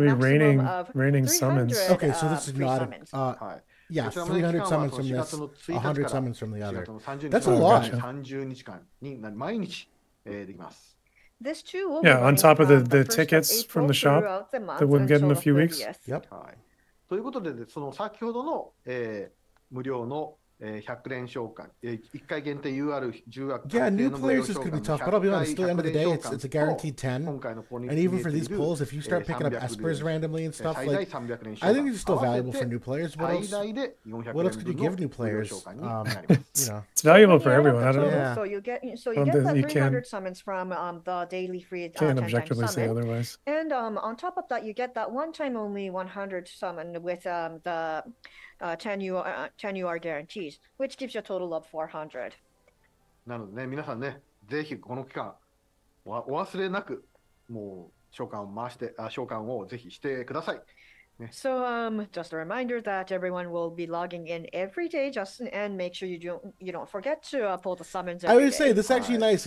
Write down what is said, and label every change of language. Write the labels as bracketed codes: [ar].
[en] be raining summons. Okay, so this is not, yeah, 300 summons from this, 100 summons from the other. That's a lot. Gotcha. This too will yeah, on top of the tickets from the shop that we'll get in a few weeks. Yep. [ja] ということで、その先ほどの無料の100連召喚、1回限定 UR10 枠。 [en] Yeah, new players is going to be tough, but I'll be honest, still at the end of the day, it's a guaranteed 10. And even for these pulls, if you start picking up Espers randomly and stuff, like, I think it's still valuable for new players. What else could you give new players? It's valuable for everyone, I don't know. So you get the 300 summons from the daily free 10 summon. Can't objectively say otherwise. And on top of that, you get that one time only 100 summon with the... 10UR guarantees, which gives you a total of 400. [ja] なのでね、皆さんね、ぜひこの期間、お忘れなく、もう召喚を回して、召喚をぜひしてください。ね、 [en] so, just a reminder that everyone will be logging in every day, Justin, and make sure you don't forget to pull the summons every day. I would say, this is actually nice.